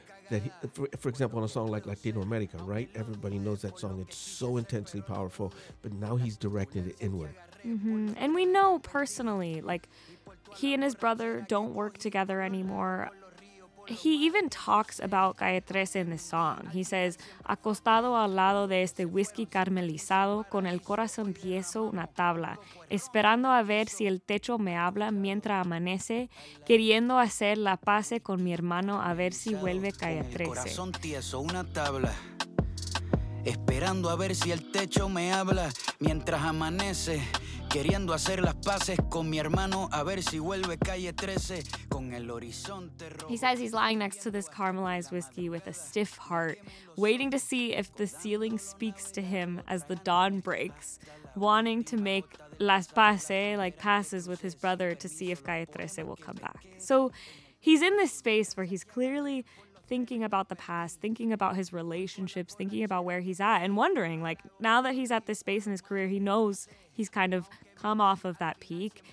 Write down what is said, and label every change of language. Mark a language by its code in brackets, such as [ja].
[en] That he, for example, on a song like Latino America, right? Everybody knows that song. It's so intensely powerful, but now he's directing it inward. Mm-hmm. And we know personally, he and his brother don't work together anymore. He even talks about Calle 13 in the song. He says, [es] acostado al lado de este whisky caramelizado, con el corazón tieso una tabla, esperando a ver si el techo me habla mientras amanece, queriendo hacer la pase con mi hermano a ver si vuelve Calle 13. Con el corazón tieso una tabla, esperando a ver si el techo me habla mientras amanece, queriendo hacer las paces con mi hermano a ver si vuelve Calle 13 con el horizonte. [en] He says he's lying next to this caramelized whiskey with a stiff heart, waiting to see if the ceiling speaks to him as the dawn breaks, wanting to make [es] las paces, [en] passes with his brother to see if Calle 13 will come back. So he's in this space where he's clearly thinking about the past, thinking about his relationships, thinking about where he's at, and wondering, now that he's at this space in his career, he knows he's kind of come off of that peak.